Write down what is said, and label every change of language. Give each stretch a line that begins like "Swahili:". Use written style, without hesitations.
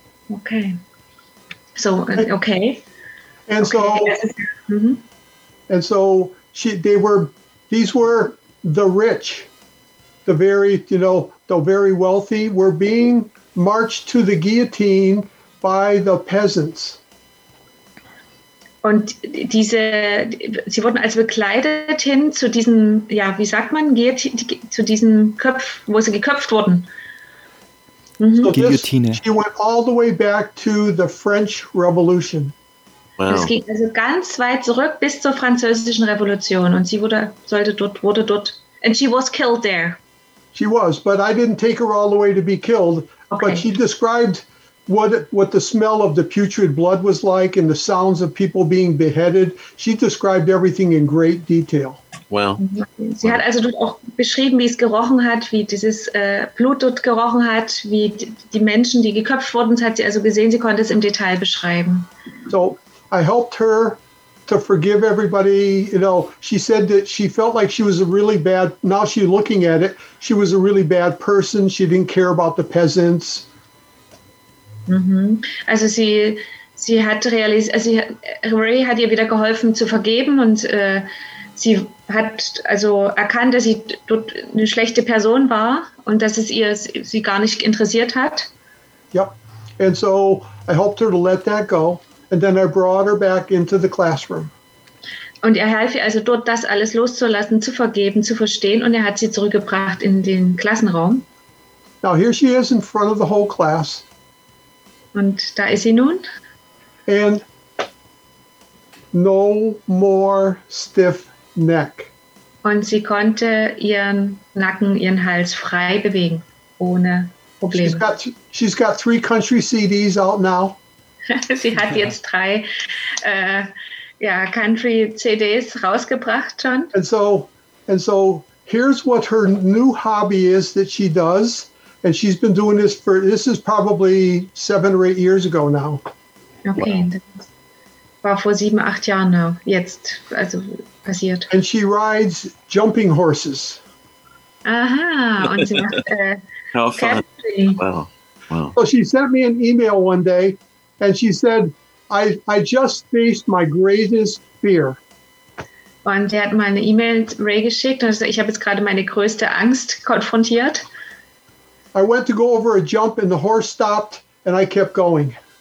English: Okay. So, okay. And okay. So, mm-hmm. And so these were the rich, the very, you know, the very wealthy were being marched to the guillotine by the peasants.
German: Und diese, sie wurden also bekleidet hin zu diesem, ja, wie sagt man, zu diesem Köpf, wo sie geköpft wurden. Mhm. Guillotine.
English: She went all the way back to the French Revolution.
German: Wow. Es ging also ganz weit zurück bis zur Französischen Revolution und sie wurde dort,
English: and she was killed there. She was, but I didn't take her all the way to be killed, okay. But she described what the smell of the putrid blood was like and the sounds of people being beheaded. She described everything in great detail. Wow.
German: Sie hat also dort auch beschrieben, wie es gerochen hat, wie dieses Blut dort gerochen hat, wie die Menschen, die geköpft wurden, das hat sie also gesehen, sie konnte es im Detail beschreiben.
English: So, I helped her to forgive everybody. You know, she said that she felt like she was a really bad, now she's looking at it, she was a really bad person. She didn't care about the peasants. Mhm.
German: Also sie hat Ray hat ihr wieder geholfen zu vergeben und sie hat also erkannt, dass sie dort eine schlechte Person war und dass es ihr sie gar nicht interessiert hat. Ja. Yep.
English: And so I helped her to let that go and then I brought her back into the classroom.
German: Und er half ihr also dort das alles loszulassen, zu vergeben, zu verstehen und er hat sie zurückgebracht in den Klassenraum.
English: Now here she is in front of the whole class.
German: Und da ist sie nun.
English: And no more stiff neck.
German: Und sie konnte ihren Nacken, ihren Hals frei bewegen, ohne Probleme.
English: She's got three country CDs out now.
German: Sie hat jetzt drei country CDs rausgebracht schon.
English: And so here's what her new hobby is that she does. And she's been doing this for, this is probably 7 or 8 years ago now. Okay. Wow.
German: War vor 7, 8 Jahren now, jetzt, also passiert.
English: And she rides jumping horses.
German: Aha, und sie macht
English: how fun. Wow. So she sent me an email one day, and she said, I just faced my greatest fear.
German: Und sie hat meine E-Mail Ray geschickt, und ich habe jetzt gerade meine größte Angst konfrontiert.
English: I went to go over a jump and the horse stopped and I kept going.